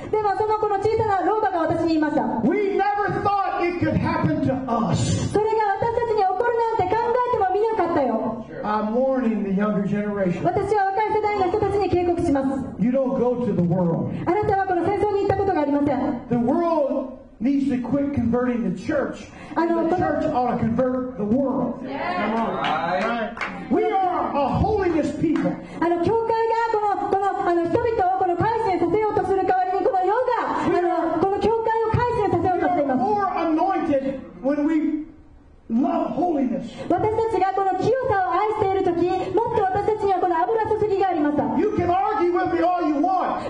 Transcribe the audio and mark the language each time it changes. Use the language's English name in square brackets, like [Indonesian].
[Japanese] でもそのこの小さな老婆が私に言いました。 [English] We never thought it could happen to us. [Japanese] それが私たちに起こるなんて考えてもみなかったよ。 [English] I'm warning the younger generation. [Japanese] 私は若い世代の人たちに警告します。 [English] You don't go to the world. [Japanese] あなたはこの戦争に行ったことがありません。 [English] The world needs to quit converting the church. The church ought to convert the world. Yeah. Come on. We are a holiness people. [Japanese] 教会がこの人々をこの改心させようとする代わりにこの世がこの教会を改心させようとしています。 [English] We are more anointed when we love holiness. [Japanese] 私たちがこの清さを愛しているとき、もっと私たちにはこの油注ぎがあります。 [English] You can argue with me all you want.